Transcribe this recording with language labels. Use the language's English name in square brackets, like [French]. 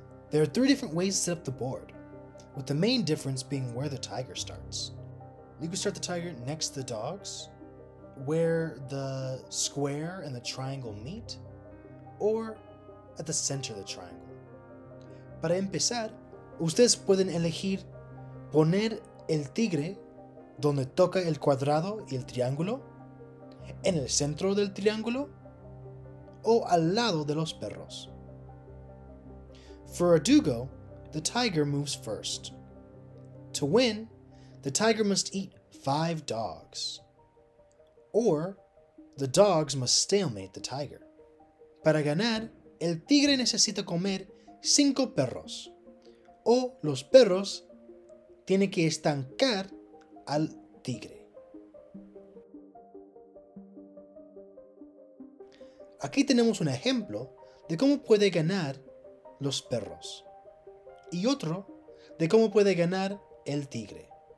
[English] There are 3 different ways to set up the board, with the main difference being where the tiger starts. You can start the tiger next to the dogs, where the square and the triangle meet, or at the center of the triangle. [Spanish] Para empezar, ustedes pueden elegir poner el tigre donde toca el cuadrado y el triángulo, en el centro del triángulo, o al lado de los perros. [English] For Adugo, the tiger moves first. To win, the tiger must eat 5 dogs, or the dogs must stalemate the tiger. [Spanish] Para ganar, el tigre necesita comer 5 perros, o los perros tienen que estancar al tigre. Aquí tenemos un ejemplo de cómo puede ganar los perros, y otro de cómo puede ganar el tigre.